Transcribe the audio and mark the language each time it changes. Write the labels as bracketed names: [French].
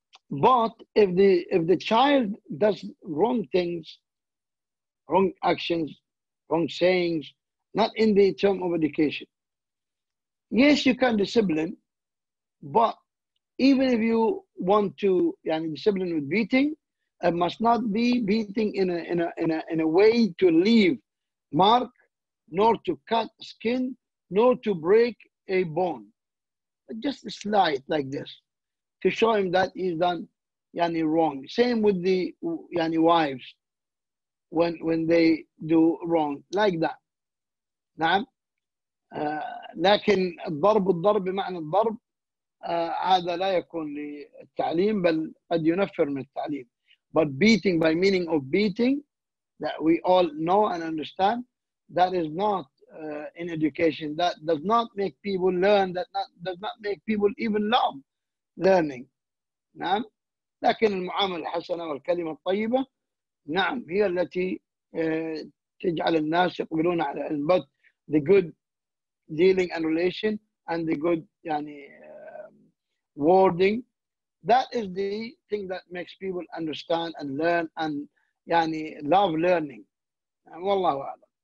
[English] But if the child does wrong things, wrong actions, wrong sayings, not in the term of education, yes, you can discipline, but even if you want to يعني discipline with beating, it must not be beating in a way to leave mark, nor to cut skin, nor to break a bone. But just a slight like this to show him that he's done yani wrong. Same with the yani wives when they do wrong, like that. [Arabic] نعم. لكن الضرب الضرب بمعنى الضرب هذا لا يكون للتعليم بل قد ينفر من التعليم. [English] But beating by meaning of beating that we all know and understand, that is not in education. That does not make people learn. That not, does not make people even love learning. [Arabic] نعم. لكن المعاملة الحسنة والكلمة الطيبة نعم هي التي تجعل الناس يقبلون على العلم. [English] But the good dealing and relation and the good يعني wording, that is the thing that makes people understand and learn and يعني love learning. [Arabic] نعم. والله أعلم.